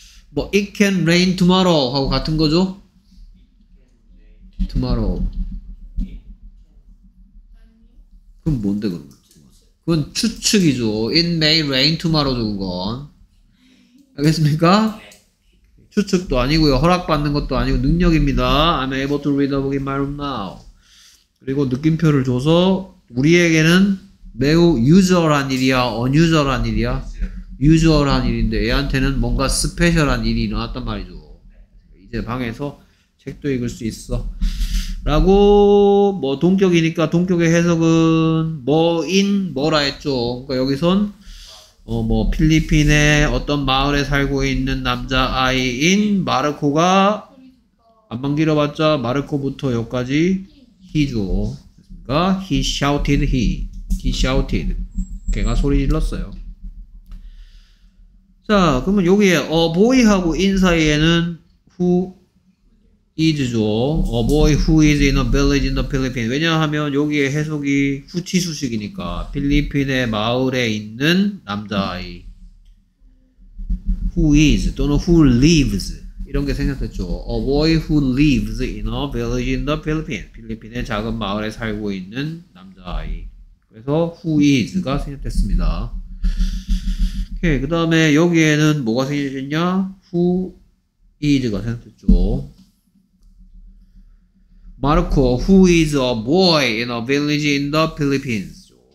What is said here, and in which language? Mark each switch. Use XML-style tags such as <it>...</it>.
<en>뭐 It can rain tomorrow</en> <ko>하고 같은 거죠.</ko> <en>Tomorrow.</en> <ko>그건 뭔데 그런 거? 그건 추측이죠.</ko> <en>It may rain tomorrow</en> <ko>좋은 건. 알겠습니까? 추측도 아니고요. 허락받는 것도 아니고 능력입니다.</ko> <en>I'm able to read a book in my room now.</en> <ko>그리고 느낌표를 줘서 우리에게는 매우 유저란 일이야, 언유저란 일이야. 유주얼한 일인데 애한테는 뭔가 스페셜한 일이 일어났단 말이죠. 이제 방에서 책도 읽을 수 있어 라고. 뭐 동격이니까 동격의 해석은 뭐인 뭐라 했죠. 그러니까 여기선 뭐 필리핀의 어떤 마을에 살고 있는 남자아이인 마르코가 앞만 길어봤자 마르코부터 여기까지 he죠. 그러니까</ko> <en>he shouted he. he shouted.</en> <ko>걔가 소리 질렀어요. 자, 그러면 여기에 a boy하고 in 사이에는 who is죠.</ko> <en>a boy who is in a village in the Philippines.</en> <ko>왜냐하면 여기에 해석이 후치수식이니까 필리핀의 마을에 있는 남자아이 who is 또는 who lives 이런 게 생각됐죠.</ko> <en>a boy who lives in a village in the Philippines.</en> <ko>필리핀의 작은 마을에 살고 있는 남자아이. 그래서 who is가 생각됐습니다. 오케이, 그 다음에 여기에는 뭐가 생겼냐? Who is가 생겼죠.</ko> <en>마르코, who is a boy in a village in the Philippines.</en>